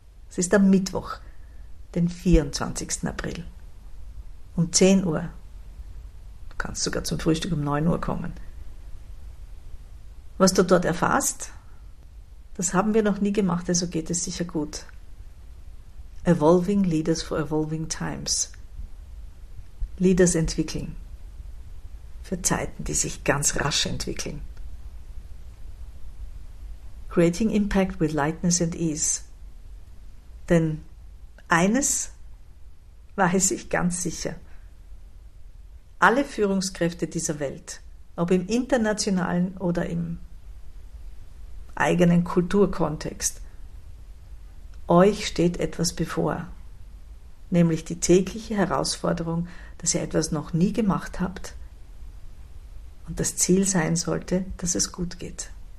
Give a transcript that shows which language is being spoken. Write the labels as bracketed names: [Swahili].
[German] Es ist am Mittwoch, den 24. April, um 10 Uhr. Du kannst sogar zum Frühstück um 9 Uhr kommen. Was du dort erfährst, das haben wir noch nie gemacht, also geht es sicher gut. [English] Evolving Leaders for Evolving Times. [German] Leaders entwickeln für Zeiten, die sich ganz rasch entwickeln. [English] Creating Impact with Lightness and Ease. [German] Denn eines weiß ich ganz sicher. Alle Führungskräfte dieser Welt, ob im internationalen oder im eigenen Kulturkontext, euch steht etwas bevor, nämlich die tägliche Herausforderung, dass ihr etwas noch nie gemacht habt und das Ziel sein sollte, dass es gut geht.